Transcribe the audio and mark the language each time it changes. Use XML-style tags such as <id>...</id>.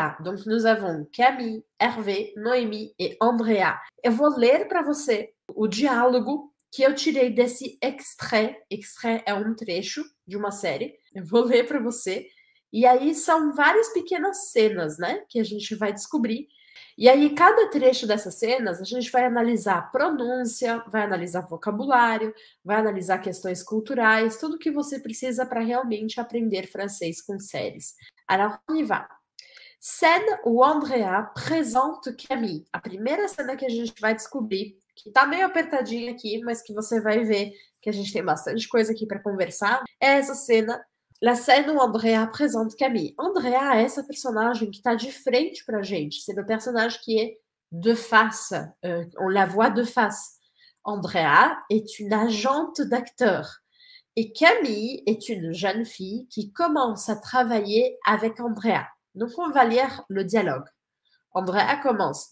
<fr>Donc nous avons Camille, Hervé, Noémie et Andrea.</fr> <pt>Eu vou ler para você o diálogo que eu tirei desse extrait. Extrait é um trecho de uma série. Eu vou ler para você. E aí são várias pequenas cenas, né, que a gente vai descobrir. E aí, cada trecho dessas cenas, a gente vai analisar pronúncia, vai analisar vocabulário, vai analisar questões culturais, tudo que você precisa para realmente aprender francês com séries.</pt> <fr>Alors, on y va. Cena où Andrea présente Camille.</fr> <pt>A primeira cena que a gente vai descobrir, que está meio apertadinha aqui, mas que você vai ver que a gente tem bastante coisa aqui para conversar, é essa cena.</pt> <fr>La scène où Andrea présente Camille.</fr> <pt>Andrea é essa personagem que está de frente para a gente.</pt> <fr>C'est le personnage qui est de face. On la voit de face. Andrea est une agente d'acteur. Et Camille est une jeune fille qui commence à travailler avec Andrea. Donc, on va lire le dialogue. Andrea commence.</fr>